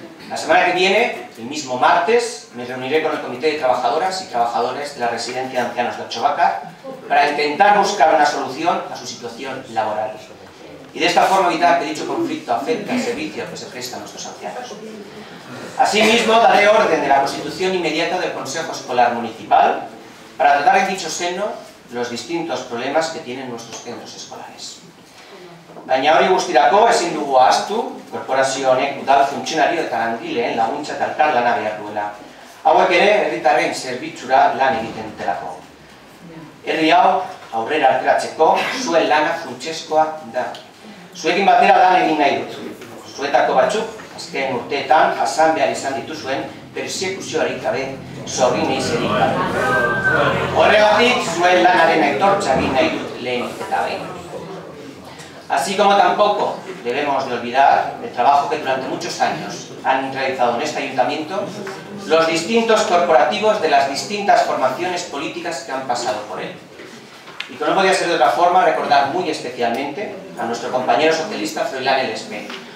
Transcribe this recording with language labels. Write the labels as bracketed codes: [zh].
[es] La semana que viene, el mismo martes, me reuniré con el Comité de Trabajadoras y Trabajadores de la Residencia de Ancianos de Ochovaca para intentar buscar una solución a su situación laboral. Y de esta forma evitar que dicho conflicto afecte al servicio que se presta a nuestros ancianos. Asimismo, daré orden de la constitución inmediata del Consejo Escolar Municipal para tratar en dicho seno los distintos problemas que tienen nuestros centros escolares. [eu] Baina hori guztirako ezin dugu ahaztu, korporazio honek udal funtzionario eta langileen laguntza eta elkarlana behar duela. Hauek ere herritarren zerbitzura lan egiten dutelako. Herri hau aurrera ateratzeko zuen lana funtsezkoa da. Zuekin batera lan egin nahi dut. Zuetako batzuk azken urteetan jasan behar izan dituzuen persekuzioari gabe zorri nahi zerik. Horregatik zuen lanaren aitortza egin nahi dut lehen eta behin. [es] Así como tampoco debemos de olvidar el trabajo que durante muchos años han realizado en este ayuntamiento los distintos corporativos de las distintas formaciones políticas que han pasado por él. Y como no podía ser de otra forma, recordar muy especialmente a nuestro compañero socialista Froilán El Espe.